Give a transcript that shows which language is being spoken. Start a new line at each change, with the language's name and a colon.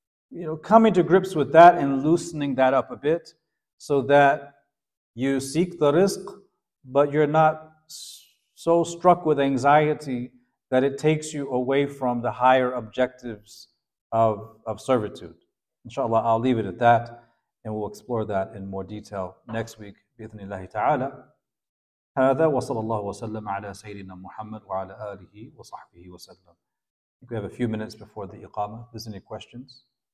English: You know, coming to grips with that and loosening that up a bit so that you seek the rizq, but you're not so struck with anxiety that it takes you away from the higher objectives of servitude. Inshallah, I'll leave it at that, and we'll explore that in more detail next week,
Arabic: بإذن الله تعالى. هذا وصلى الله وسلم على سيدنا محمد وعلى آله وصحبه وسلم.
English: We have a few minutes before the Iqamah. If there's any questions.